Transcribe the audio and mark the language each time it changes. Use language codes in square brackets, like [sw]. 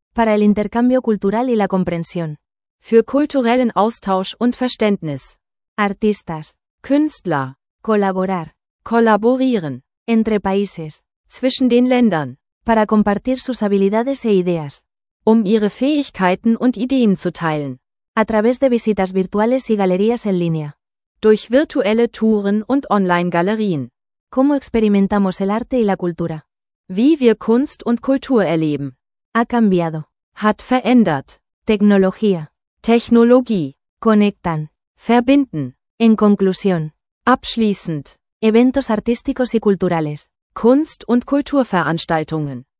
[es] Para el intercambio cultural y la comprensión. [de] Für kulturellen Austausch und Verständnis. [es] Artistas. [de] Künstler. [es] Colaborar. [de] Kollaborieren. [es] Entre países. [de] Zwischen den Ländern. [es] Para compartir sus habilidades e ideas. [de] Um ihre Fähigkeiten und Ideen zu teilen. [es] A través de visitas virtuales y galerías en línea. [de] Durch virtuelle Touren und Online-Galerien. [es] ¿Cómo experimentamos el arte y la cultura? [de] Wie wir Kunst und Kultur erleben. [es] Ha cambiado. [de] Hat verändert. [es] Tecnología. [de] Technologie. [es] Conectan. [de] Verbinden. [es] En conclusión. [de] Abschließend. [es] Eventos artísticos y culturales. [de] Kunst- und Kulturveranstaltungen.